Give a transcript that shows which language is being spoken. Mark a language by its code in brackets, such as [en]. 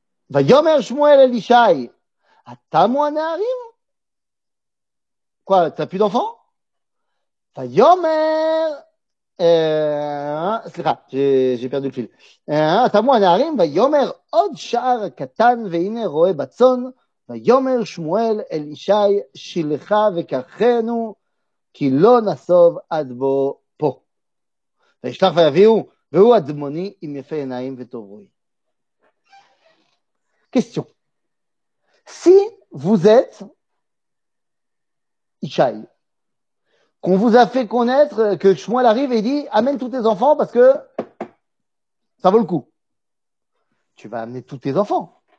[he] Va yomer Shmuel el Ishaï. Ata moana arim. [fr] Quoi, t'as plus d'enfants? [he] Va yomer. [fr] C'est vrai, j'ai perdu le fil. [he] Ata moana arim. Va yomer od shar katan ve ine roe batson. ויאמר שמואל אל ישי שילחה וכחנו כי לא נסוב עד בו פה. וישלח ויביאו והוא אדמוני עם יפה עיניים וטוב רואי. [fr] Question. Si vous êtes Ishaï, qu'on vous a fait connaître que Shmuel arrive et dit amène tous tes enfants parce que ça vaut le coup. Tu vas amener tous tes enfants.